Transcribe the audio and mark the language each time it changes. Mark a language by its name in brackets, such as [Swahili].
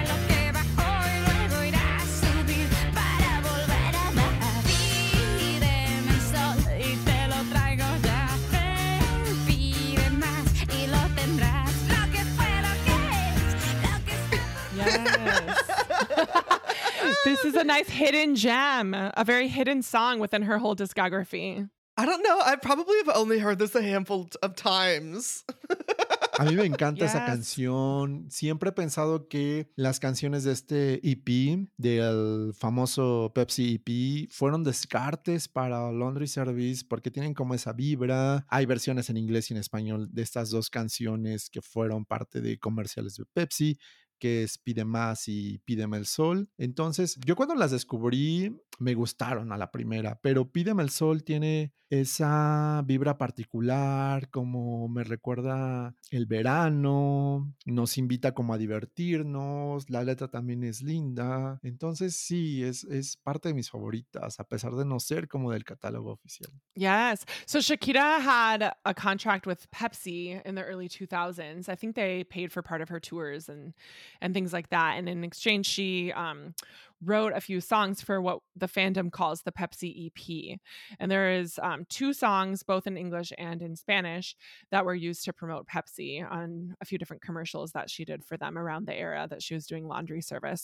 [Spanish] Lo que va hoy, luego irá a subir para volver a dar. Pídeme el sol y te lo traigo ya. Pide más y lo tendrás. Lo que fue, lo que es, lo que está por pasar. [English] This is a nice hidden gem, a very hidden song within her whole discography. I don't know. I probably have only heard this a handful of times. [Spanish] A mí me encanta esa canción. Siempre he pensado que las canciones de este EP, del famoso Pepsi EP, fueron descartes para Laundry Service porque tienen como esa vibra. Hay versiones en inglés y en español de estas dos canciones que fueron parte de comerciales de Pepsi. que es Pide Más y Pídeme el Sol. Entonces, yo cuando las descubrí, me gustaron a la primera, pero Pídeme el Sol tiene esa vibra particular, como me recuerda el verano, nos invita como a divertirnos, la letra también es linda. Entonces, sí, es parte de mis favoritas, a pesar de no ser como del catálogo oficial. [English] Yes. So Shakira had a contract with Pepsi in the early 2000s. I think they paid for part of her tours and things like that. And in exchange, she wrote a few songs for what the fandom calls the Pepsi EP. And there is two songs, both in English and in Spanish, that were used to promote Pepsi on a few different commercials that she did for them around the era that she was doing laundry service.